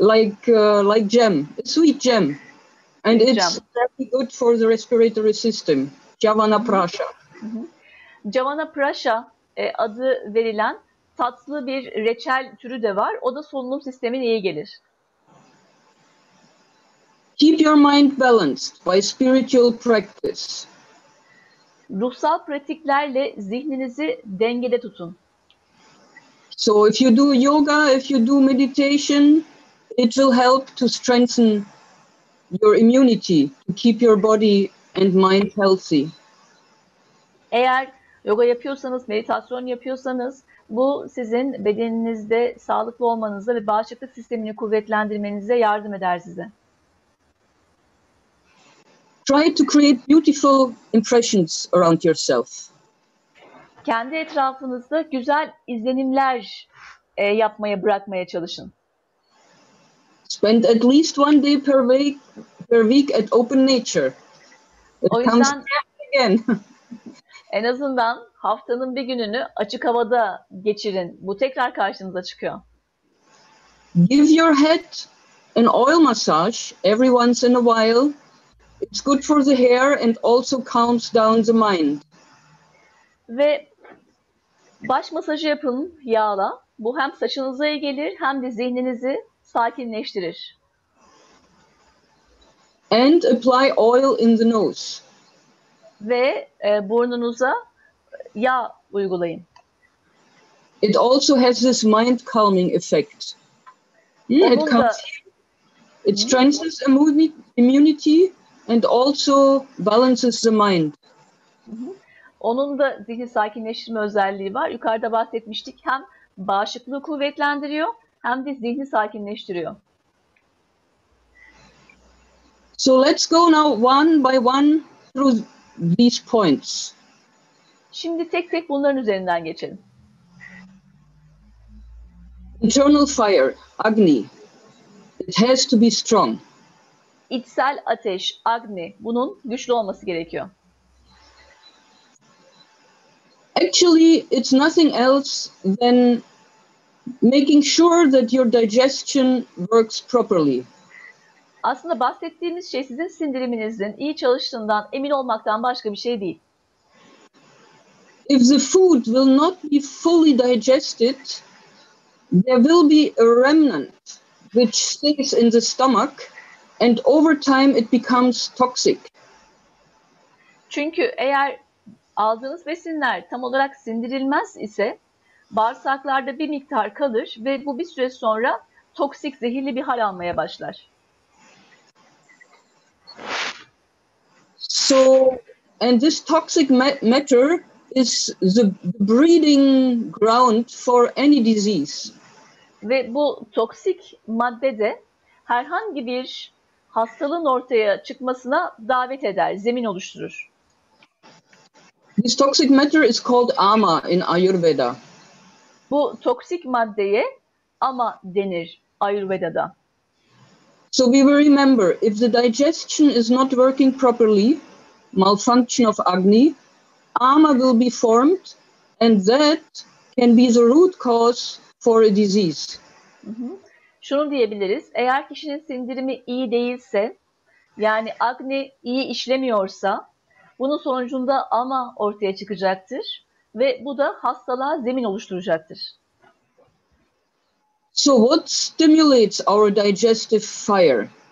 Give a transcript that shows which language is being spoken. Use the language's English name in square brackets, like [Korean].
[English] like jam, a sweet jam, and it's jam. Very good for the respiratory system. Javana prasha. [Turkish] Javana prasha adı verilen tatlı bir reçel türü de var. O da solunum sistemine iyi gelir. [English] Keep your mind balanced by spiritual practice. [Turkish] Ruhsal pratiklerle zihninizi dengede tutun. [English] So if you do yoga, if you do meditation, it will help to strengthen your immunity, to keep your body and mind healthy. [Turkish] Eğer yoga yapıyorsanız, meditasyon yapıyorsanız, bu sizin bedeninizde sağlıklı olmanıza ve bağışıklık sistemini kuvvetlendirmenize yardım eder size. [English] Try to create beautiful impressions around yourself. [Turkish] Kendi etrafınızda güzel izlenimler yapmaya, bırakmaya çalışın. [English] Spend at least one day per week at open nature. It o yüzden again. [Turkish] En azından haftanın bir gününü açık havada geçirin. Bu tekrar karşınıza çıkıyor. [English] Give your head an oil massage every once in a while. It's good for the hair and also calms down the mind. [Turkish] Ve baş masajı yapın yağla. Bu hem saçınıza iyi gelir hem de zihninizi sakinleştirir. [English] And apply oil in the nose. [Turkish] Ve burnunuza yağ uygulayın. [English] It also has this mind calming effect. It strengthens immunity. And also balances the mind. [Turkish] Onun da zihni sakinleştirme özelliği var. Yukarıda bahsetmiştik. Hem bağışıklığı kuvvetlendiriyor, hem de zihni sakinleştiriyor. [English] So let's go now one by one through these points. [Turkish] Şimdi tek tek bunların üzerinden geçelim. [English] Internal fire, Agni. It has to be strong. [Turkish] İçsel ateş, Agni, bunun güçlü olması gerekiyor. [English] Actually, it's nothing else than making sure that your digestion works properly. [Turkish] Aslında bahsettiğimiz şey sizin sindiriminizin iyi çalıştığından emin olmaktan başka bir şey değil. [English] If the food will not be fully digested, there will be a remnant which stays in the stomach. And over time it becomes toxic. [Turkish] Çünkü eğer aldığınız besinler tam olarak sindirilmez ise bağırsaklarda bir miktar kalır ve bu bir süre sonra toksik, zehirli bir hal almaya başlar. [English] So and this toxic matter is the breeding ground for any disease. [Turkish] Ve bu toksik madde de herhangi bir hastalığın ortaya çıkmasına davet eder, zemin oluşturur. [English] This toxic matter is called ama in Ayurveda. [Turkish] Bu toksik maddeye ama denir Ayurveda'da. [English] So we will remember, if the digestion is not working properly, malfunction of Agni, ama will be formed and that can be the root cause for a disease. [Turkish] Şunu diyebiliriz, eğer kişinin sindirimi iyi değilse, yani Agni iyi işlemiyorsa, bunun sonucunda ama ortaya çıkacaktır ve bu da hastalığa zemin oluşturacaktır. [English] So what stimulates our digestive fire?